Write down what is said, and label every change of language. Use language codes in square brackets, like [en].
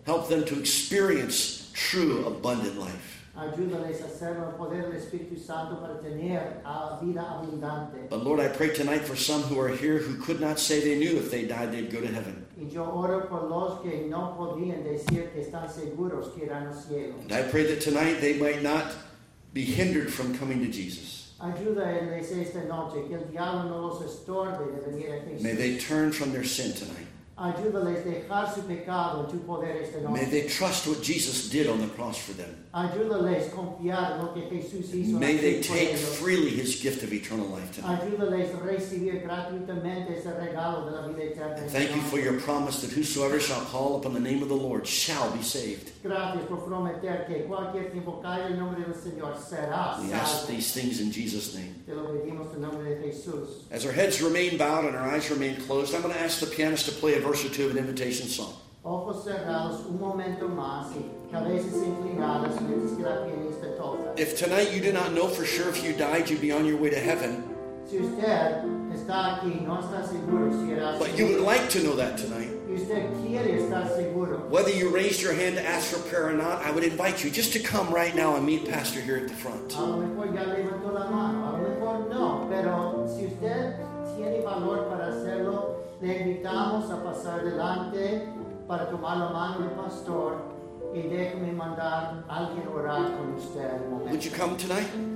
[en] Help them to experience true abundant life. [es] Ayúdales a hacer el poder del Espíritu Santo para tener vida abundante. [en] But Lord, I pray tonight for some who are here who could not say they knew if they died they'd go to heaven. [es] Y yo oro por los que no podían decir que están seguros que irán al cielo. [en] And I pray that tonight they might not be hindered from coming to Jesus. [es] Ayúdales esta noche que el diablo no los estorbe de venir a Jesús. [en] May they turn from their sin tonight. [es] Ayúdales dejar su pecado en tu poder esta noche. [en] May they trust what Jesus did on the cross for them. [es] Ayúdales confiar en lo que Jesús hizo. [en] May they take freely His gift of eternal life tonight. [es] Ayúdales recibir gratuitamente ese regalo de la vida eterna. [en] And thank you for your promise that whosoever shall call upon the name of the Lord shall be saved. [es] Gracias por prometer que cualquier que invocare el nombre del Señor será salvo. [en] We ask these things in Jesus' name. [es] Te lo pedimos en nombre de Jesús. [en] As our heads remain bowed and our eyes remain closed, I'm going to ask the pianist to play a verse or two of an invitation song. [es] Ojos cerrados un momento más y cabezas inclinadas mientras que la pianista toca. [en] If tonight you do not know for sure if you died, you'd be on your way to heaven. [es] Si usted está aquí, no está seguro si era. [en] But you would like to know that tonight. [es] Usted quiere estar seguro. [en] Whether you raised your hand to ask for prayer or not, I would invite you just to come right now and meet Pastor here at the front. [es] A lo mejor ya levantó la mano, a lo mejor no, pero si usted tiene valor para hacerlo, le invitamos a pasar adelante para tomar la mano del pastor y déjeme mandar a alguien orar con usted. [en] Would you come tonight?